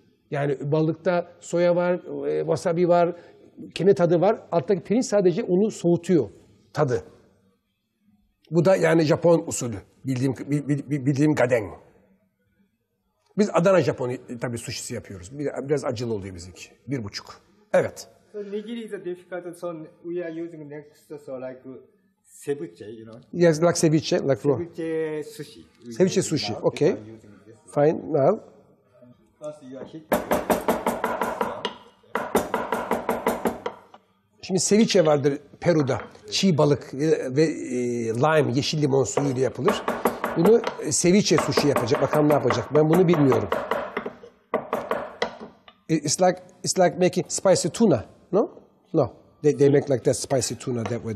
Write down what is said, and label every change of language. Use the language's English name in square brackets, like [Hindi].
[Turkish] Yani balıkta soya var, wasabi var, kendi tadı var. Alttaki pirinç sadece onu soğutuyor tadı. Bu da yani Japon usulü. Bildiğim gaden. Biz Adana Japon tabii suşisi yapıyoruz. Biraz acılı oluyor bizimki. 1,5. Evet. [English] Nigiri is difficult, so we are using next, so like ceviche, you know? Yes, like ceviche, like ceviche sushi. Ceviche sushi, now, okay. Fine, now. First you are hitting. [Turkish] Şimdi ceviche vardır Peru'da. Çiğ balık ve lime, yeşil limon suyu ile yapılır. Bunu ceviche sushi yapacak. Bakalım ne yapacak. Ben bunu bilmiyorum. [English] It's like making spicy tuna. No? No. They make like that spicy tuna that way.